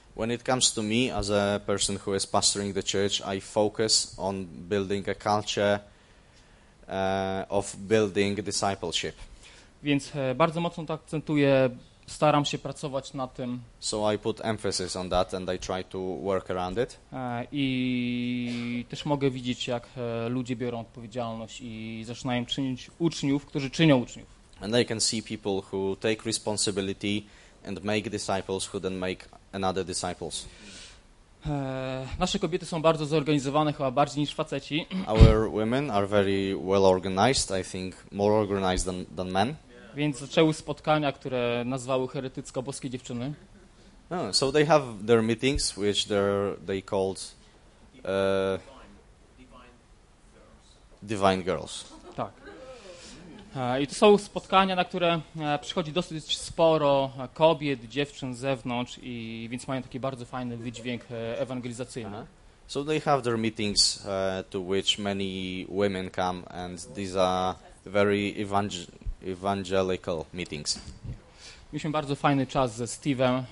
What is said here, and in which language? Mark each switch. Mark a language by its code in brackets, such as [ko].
[en] When it comes to me as a person who is pastoring the church, I focus on building a culture of building discipleship. [pl] Więc bardzo mocno to akcentuję, staram się pracować nad tym. [en] So I put emphasis on that and I try to work around it. [pl] I też mogę widzieć, jak ludzie biorą odpowiedzialność i zaczynają czynić uczniów, którzy czynią uczniów. [en] And I can see people who take responsibility and make disciples who then make another disciples. [pl] Nasze kobiety są bardzo zorganizowane, chyba bardziej niż faceci. [en] Our women are very well organized, I think more organized than men. Yeah. [pl] Więc zaczęły spotkania, które nazwały heretycko boskie dziewczyny. [en] Oh, so they have their meetings, which they called divine girls. [pl] Tak. I to są spotkania, na które przychodzi dosyć sporo kobiet, dziewczyn z zewnątrz i więc mają taki bardzo fajny wydźwięk ewangelizacyjny. [en] So they have their meetings to which many women come and these are very evangelical meetings. [pl] Mieliśmy bardzo fajny czas ze Steve'em.